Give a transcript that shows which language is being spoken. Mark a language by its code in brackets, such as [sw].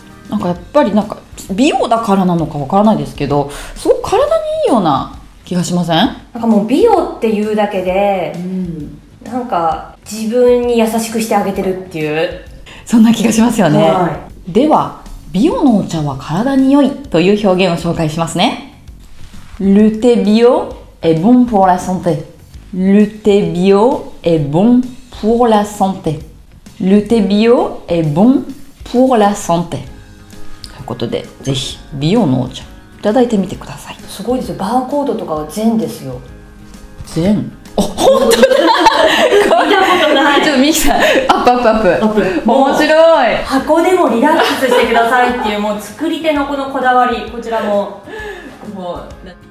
[ja] なんかやっぱりなんか美容だからなのかわからないですけど、すごく体にいいような気がしません？なんかもう美容っていうだけで、うん、なんか自分に優しくしてあげてるっていう、そんな気がしますよね、はい、では美容のお茶は体に良いという表現を紹介しますね。 [fr] Le thé bio est bon pour la santé. Le thé bio est bon pour la santé. Le thé bio est bon pour la santé. [ja] ということで、ぜひ美容のお茶いただいてみてください。すごいですよ、バーコードとかは全ですよ。全、あ、本当だ見たことない。ちょっとミキさん、アップアップアップ、面白い。箱でもリラックスしてくださいっていう、もう作り手のこのこだわり、こちらも、もうい